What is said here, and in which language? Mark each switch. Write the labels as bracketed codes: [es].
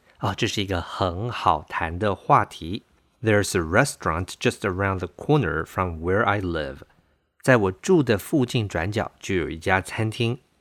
[zh] 啊，这是一个很好谈的话题。 [en] There's a restaurant just around the corner from where I live. [zh] 在我住的附近转角就有一家餐厅。